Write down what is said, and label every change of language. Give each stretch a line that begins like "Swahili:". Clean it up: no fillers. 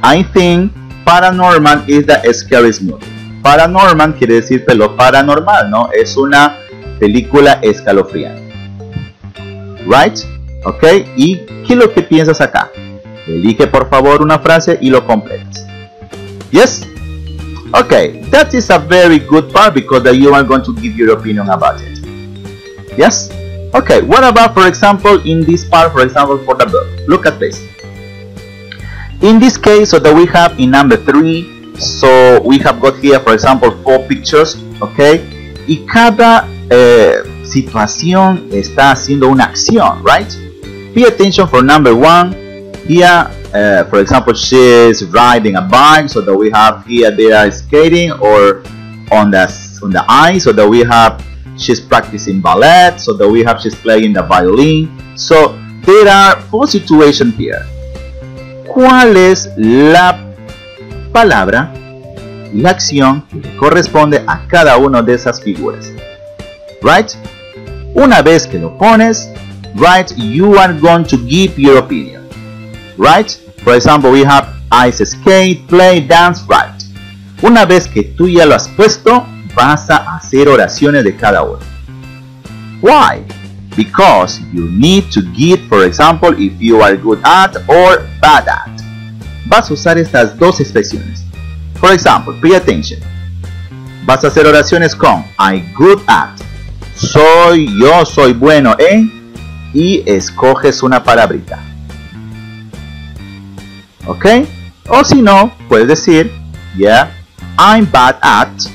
English: I think Paranorman is the scariest movie.
Spanish: Paranorman quiere decir lo paranormal, ¿no? Es una película escalofriante. Right? Ok. ¿Y qué es lo que piensas acá? Elige por favor una frase y lo completas.
English: Yes? Ok. That is a very good part because that you are going to give your opinion about it. Yes? Ok. What about, for example, in this part, for example, for the book? Look at this. In this case, so that we have in number 3, so we have got here, for example, 4 pictures, okay?
Spanish: Y cada situación está haciendo una acción, right?
English: Pay attention for number 1. Here, for example, she's riding a bike, so that we have here they are skating, or on the ice, so that we have she's practicing ballet, so that we have she's playing the violin. So there are 4 situations here.
Spanish: ¿Cuál es la palabra y la acción que le corresponde a cada una de esas figuras?
English: Right?
Spanish: Una vez que lo pones,
English: right, you are going to give your opinion. Right? For example, we have ice skate, play, dance, right.
Spanish: Una vez que tú ya lo has puesto, vas a hacer oraciones de cada una.
English: Why? Because you need to give, for example, if you are good at or bad at.
Spanish: Vas a usar estas dos expresiones.
English: For example, pay attention.
Spanish: Vas a hacer oraciones con
English: I good at.
Spanish: Soy, yo soy bueno en. Y escoges una palabrita. ¿Ok? O si no, puedes decir, yeah,
English: I'm bad at.